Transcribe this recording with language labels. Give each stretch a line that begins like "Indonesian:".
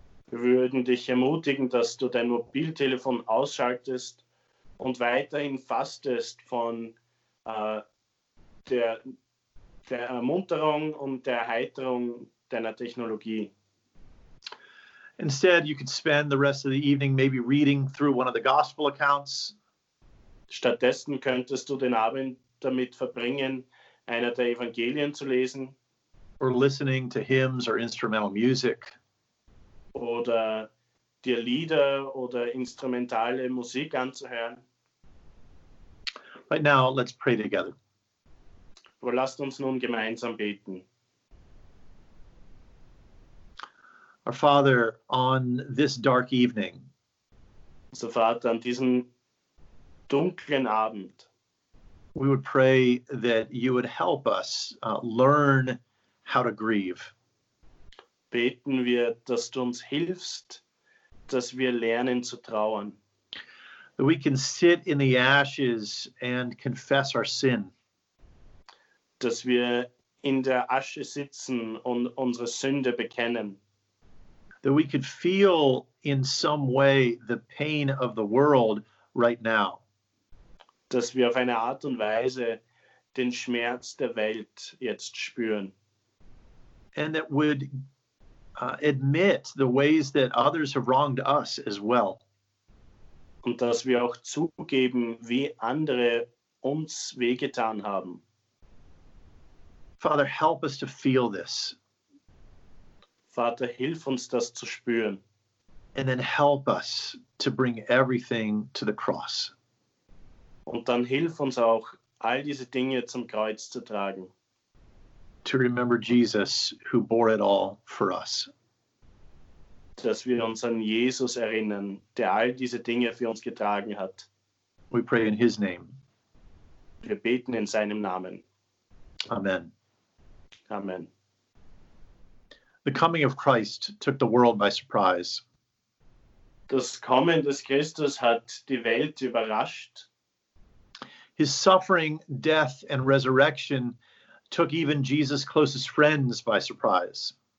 German: Wir würden dich ermutigen, dass du dein Mobiltelefon ausschaltest und weiterhin fastest von der Ermunterung und der Erheiterung deiner Technologie.
English: Instead, you could spend the rest of the evening maybe reading through one of the gospel accounts.
German: Stattdessen könntest du den Abend damit verbringen, einer der Evangelien zu lesen.
English: Or listening to hymns or instrumental music.
German: Oder dir Lieder oder instrumentale Musik anzuhören.
English: Right now, let's pray together.
German: Aber lasst uns nun gemeinsam beten.
English: Our Father, on this dark evening,
German: unser Vater, an diesem dunklen Abend,
English: we would pray that you would help us learn how to grieve.
German: Beten wir, dass du uns hilfst, dass wir lernen zu trauern.
English: That we can sit in the ashes and confess our sin.
German: Dass wir in der Asche sitzen und unsere Sünde bekennen.
English: That we could feel in some way the pain of the world right now.
German: Dass wir auf eine Art und Weise den Schmerz der Welt jetzt spüren.
English: And that would admit the ways that others have wronged us as well.
German: Und dass wir auch zugeben, wie andere uns wehgetan haben.
English: Father, help us to feel this.
German: Vater, hilf uns, das zu spüren.
English: And then help us to bring everything to the cross.
German: Und dann hilf uns auch, all diese Dinge zum Kreuz zu tragen.
English: To remember Jesus, who bore it all for us.
German: Dass wir uns an Jesus erinnern, der all diese Dinge für uns getragen hat.
English: We pray in his name.
German: Wir beten in seinem Namen.
English: Amen.
German: Amen.
English: The coming of Christ took the world by surprise.
German: Das Kommen des Christus hat die Welt überrascht.
English: His suffering, death and resurrection took even Jesus' closest friends by surprise.